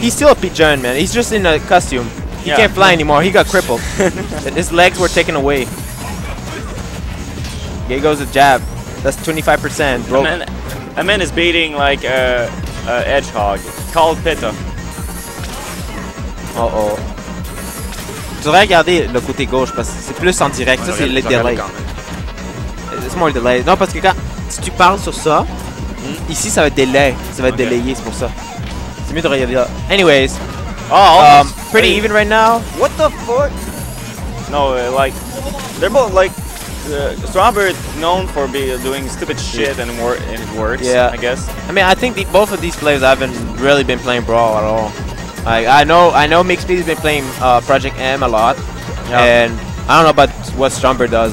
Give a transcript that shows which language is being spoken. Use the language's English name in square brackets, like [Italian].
[English] He's still a pigeon, man. He's just in a costume. He can't fly anymore. He got crippled. His legs were taken away. Here goes a jab. That's 25%. A man is beating like a hedgehog called Peta. Uh oh. [French] Tu devrais regarder le côté gauche parce que c'est plus en direct. Ouais, ça, c'est le delay. C'est more delay. Non, parce que quand si tu parles sur ça, ici, ça va être delay. Ça va être délayé, c'est pour ça. C'est mieux de regarder là. [English] Anyways. Oh, pretty even right now. What the fuck? No, like, they're both like. Stroumbert known for doing stupid shit and works, yeah. I guess. I mean, I think both of these players haven't really been playing Brawl at all. Like, I know Meekspeedy's been playing Project M a lot, and I don't know about what Stroumbert does.